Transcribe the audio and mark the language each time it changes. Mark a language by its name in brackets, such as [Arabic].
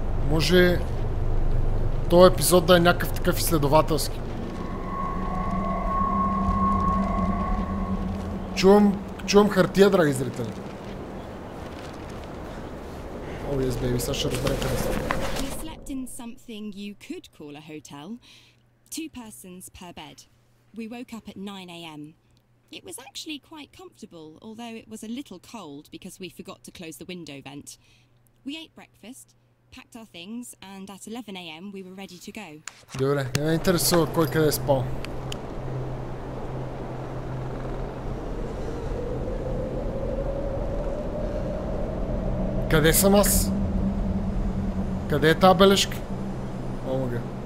[Bulgarian] Може този епизод да е някакъв такъв изследователски. Чувам хартия, драги зрители. [English] Oh yes, baby, [Bulgarian] сега ще разбере къде са. [English] We slept in something you could call a hotel. Two persons per bed. We woke up at 9 a.m. It was actually quite comfortable, although it was a little cold because we forgot to close the window vent. We ate breakfast, packed our things, and at 11 a.m. we were ready to go. [Bulgarian] Добре, не ме интересува кой къде спал. Къде съм аз? Къде е тази бележка? Омага.